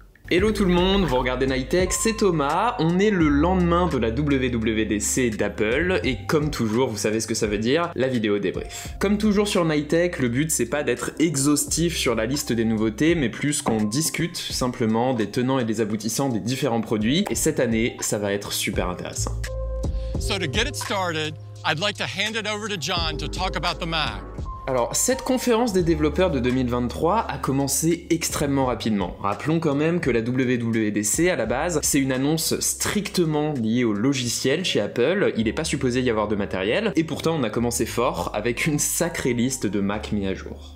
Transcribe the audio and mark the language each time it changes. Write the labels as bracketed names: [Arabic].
[French] Hello tout le monde, vous regardez Nitech, c'est Thomas. On est le lendemain de la WWDC d'Apple et comme toujours, vous savez ce que ça veut dire, la vidéo débrief. Comme toujours sur Nitech, le but c'est pas d'être exhaustif sur la liste des nouveautés, mais plus qu'on discute simplement des tenants et des aboutissants des différents produits. Et cette année, ça va être super intéressant. [English] So to get it started, I'd like to hand it over to John to talk about the Mac. [French] Alors, cette conférence des développeurs de 2023 a commencé extrêmement rapidement. Rappelons quand même que la WWDC, à la base, c'est une annonce strictement liée au logiciel chez Apple, il n'est pas supposé y avoir de matériel, et pourtant on a commencé fort avec une sacrée liste de Mac mis à jour.